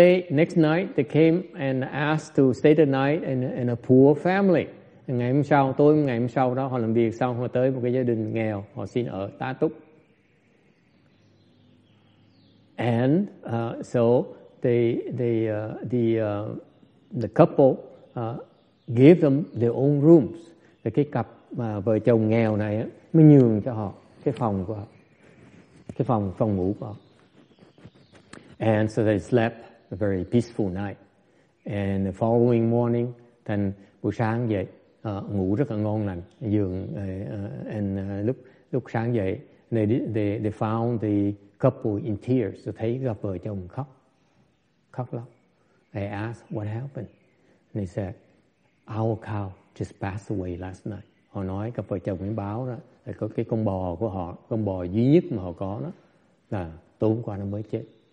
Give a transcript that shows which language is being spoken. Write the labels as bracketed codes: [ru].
[en] Next night they came and asked to stay the night in a poor family. [vi] Ngày hôm sau đó họ làm việc xong, họ tới một cái gia đình nghèo, họ xin ở tá túc. [en] And so the couple gave them their own rooms. [vi] Cái cặp mà vợ chồng nghèo này mới nhường cho họ cái phòng của họ. Cái phòng ngủ của họ. [en] And so they slept a very peaceful night. And the following morning, then [vi] buổi sáng dậy ngủ rất là ngon lành giường [en] and [vi] lúc sáng dậy [en] they found the couple in tears. [vi] So thấy cặp vợ chồng khóc lóc. [en] I asked what happened. And they said our cow just passed away last night. [vi] Họ nói cặp vợ chồng mới báo đó là có cái con bò của họ, con bò duy nhất mà họ có đó là tối hôm qua nó mới chết.